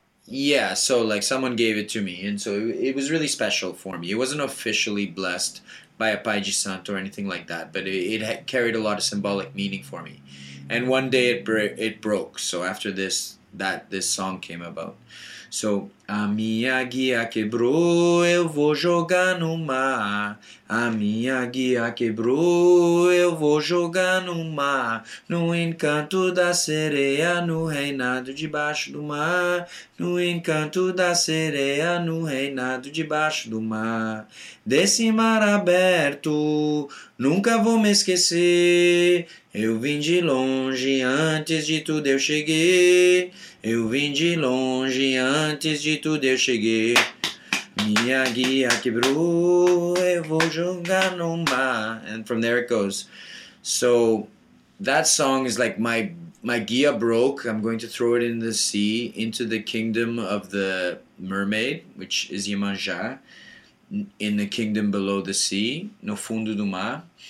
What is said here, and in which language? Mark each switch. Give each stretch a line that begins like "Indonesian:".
English: Yeah, so like someone gave it to me. And so it was really special for me. It wasn't officially blessed by a Paiji Santo or anything like that, but it carried a lot of symbolic meaning for me. And one day it broke. So after this song came about. So
Portuguese: A minha guia quebrou, eu vou jogar no mar. A minha guia quebrou, eu vou jogar no mar. No encanto da sereia, no reinado debaixo do mar. No encanto da sereia, no reinado debaixo do mar. Desse mar aberto, nunca vou me esquecer. Eu vim de longe, antes de tudo eu cheguei. Eu vim de longe, antes de tudo eu cheguei. Minha guia quebrou, eu vou jogar no mar.
English: And from there it goes. So that song is like my guia broke. I'm going to throw it in the sea, into the kingdom of the mermaid, which is Iemanjá, in the kingdom below the sea,
Portuguese: no fundo do mar.